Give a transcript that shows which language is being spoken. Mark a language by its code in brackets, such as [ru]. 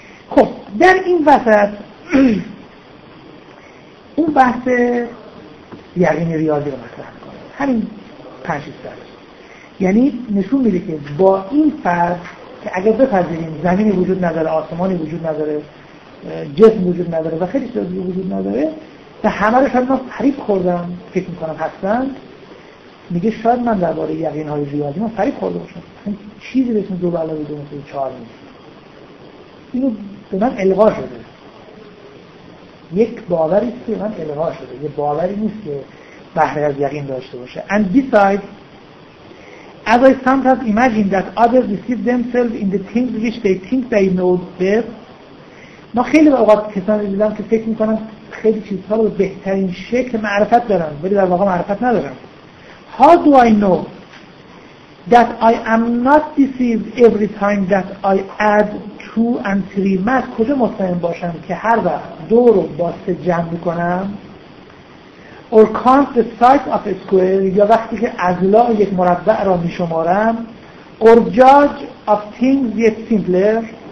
[fa] خب در این وسط اون بحث یقین ریاضی رو مطرح کنه، همین پنج شش سال، یعنی نشون میده که با این فرض که اگر بپذیریم زمینی وجود نداره، آسمانی وجود نداره، جسم وجود نداره و خیلی چیزا وجود نداره، تا همه رو شاید من فریب خوردم فکر میکنم هستن، میگه شاید من درباره یقین های ریاضی من فریب خورده باشم، چیزی به اسم دو علاوه دو مثل چهار نیست. اینو به من الغا شده، یک باوری است که من الغا شده، یه باوری نیست که بهره از یقین داشته باشه. [en] And besides as I sometimes imagine that others deceive themselves in the things which they think they know best. [fa] ما خیلی اوقات کسانی دیدم که فکر میکنن خیلی چیزها رو به بهترین شکل معرفت دارن، ولی در واقع معرفت ندارن. [en] How do I know that I am not deceived every time that I add two and three math؟ [fa] کجا مطمئن باشم که هر وقت دو رو با سه جمع میکنم [en] or count the size of a square، [fa] یا وقتی که اضلاع یک مربع را میشمارم [en] or judge of things yet simpler